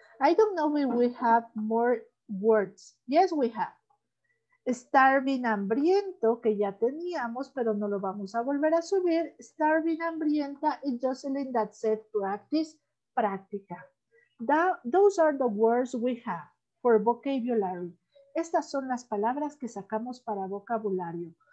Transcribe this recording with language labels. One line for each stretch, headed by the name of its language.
English: I don't know if we have more words. Yes, we have.
Spanish: Starving, hambriento, que ya teníamos, pero no lo vamos a volver a subir.
English: Starving, hambrienta, and Jocelyn, that said practice, práctica. Those are the words we have for vocabulary.
Spanish: Estas son las palabras que sacamos para vocabulario.